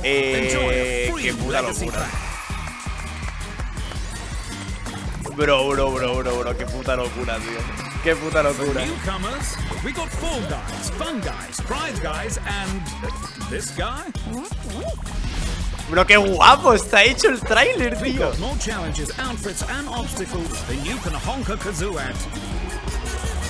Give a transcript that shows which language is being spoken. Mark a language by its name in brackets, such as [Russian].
[English] enjoy a free legacy pack. [Spanish] Bro, qué puta locura, tío. Qué puta locura. [English] For newcomers, we got Fall Guys, Fun Guys, Pride Guys, and this guy. [Spanish] Bro, qué guapo está hecho el trailer, tío. [English] We got more challenges, outfits, and obstacles than you can honk a kazoo at.